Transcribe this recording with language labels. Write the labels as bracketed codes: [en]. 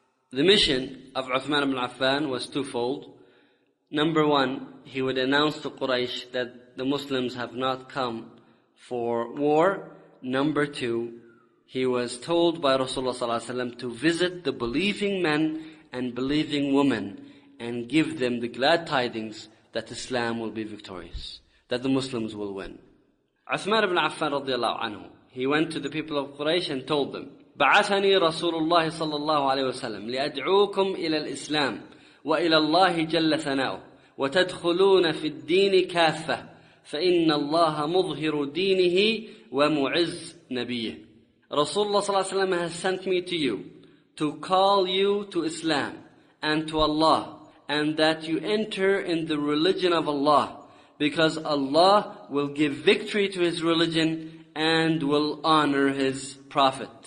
[en] The mission of Uthman ibn Affan was twofold. Number one, he would announce to Quraysh that the Muslims have not come for war. Number two, he was told by Rasulullah sallallahu alayhi wa sallam to visit the believing men and believing women and give them the glad tidings that Islam will be victorious, that the Muslims will win. Uthman ibn Affan radiallahu anhu, he went to the people of Quraysh and told them, [ar] "بعثني رسول الله صلى الله عليه وسلم لأدعوكم إلى الإسلام وإلى الله جل ثناؤه وتدخلون في الدين كافة فإن الله مظهر دينه ومعز نبيه." [en] رسول الله صلى الله عليه وسلم has sent me to you to call you to Islam and to Allah, and that you enter in the religion of Allah, because Allah will give victory to His religion and will honor His Prophet.